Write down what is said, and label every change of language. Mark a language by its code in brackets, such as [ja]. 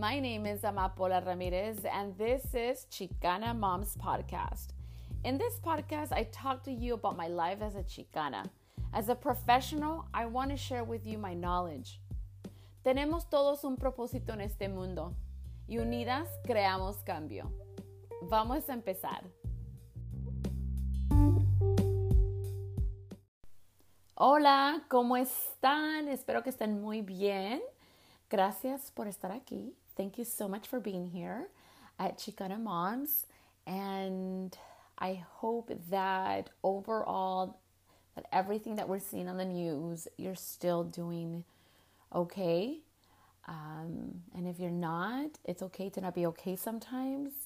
[en] My name is Amapola Ramirez, and this is Chicana Moms Podcast. In this podcast, I talk to you about my life as a Chicana. As a professional, I want to share with you my knowledge. [es] Tenemos todos un propósito en este mundo, y unidas creamos cambio. Vamos a empezar. Hola, ¿cómo están? Espero que estén muy bien. Gracias por estar aquí. [en] Thank you so much for being here at Chicana Moms. And I hope that overall, that everything that we're seeing on the news, you're still doing okay. And if you're not, it's okay to not be okay sometimes.